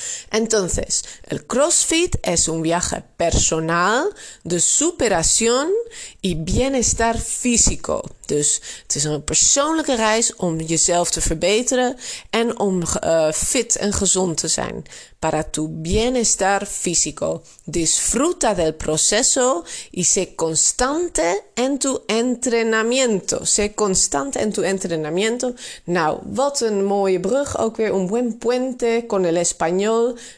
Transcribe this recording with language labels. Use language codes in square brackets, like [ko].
[es] Entonces, el CrossFit es un viaje personal de superación y bienestar físico. [nl] Dus het is een persoonlijke reis om jezelf te verbeteren en om fit en gezond te zijn. [es] Para tu bienestar físico. Disfruta del proceso y sé constante en tu entrenamiento. [nl] Nou, wat een mooie brug. Ook weer [es] un buen puente con el español.